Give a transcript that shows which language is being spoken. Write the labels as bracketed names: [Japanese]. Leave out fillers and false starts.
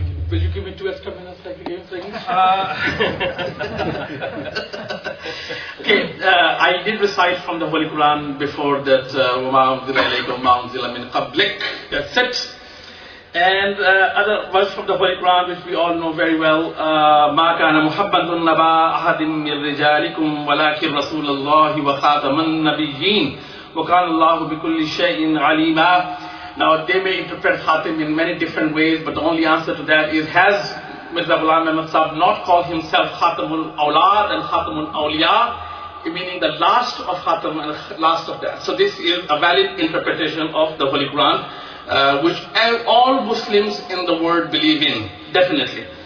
[English] Will you give me two extra minutes like you gave for English? Okay, I did recite from the Holy Quran before that, [Arabic] وَمَا أُنزِلَ إِلَيْكَ وَمَا أُنزِلَ مِنْ قَبْلِكَ, [English] that's it. And other verse from the Holy Quran, which we all know very well, [Arabic] مَا كَانَ مُحَبَّدُ النَّبَىٰ أَحَدٍ مِّنْ رِجَالِكُمْ وَلَكِنْ رَسُولَ اللَّهِ وَخَاتَمَ النَّبِيِّينَ وَكَانَ اللَّهُ بِكُلِّ شَيْءٍ عَلِيمًا. [English] Now they may interpret Khatim in many different ways, but the only answer to that is, has Mirza Ghulam Ahmad Saab not called himself Khatamul Aulad and Khatamul Awliya, meaning the last of Khatam and last of that? So this is a valid interpretation of the Holy Quran, which all Muslims in the world believe in, definitely.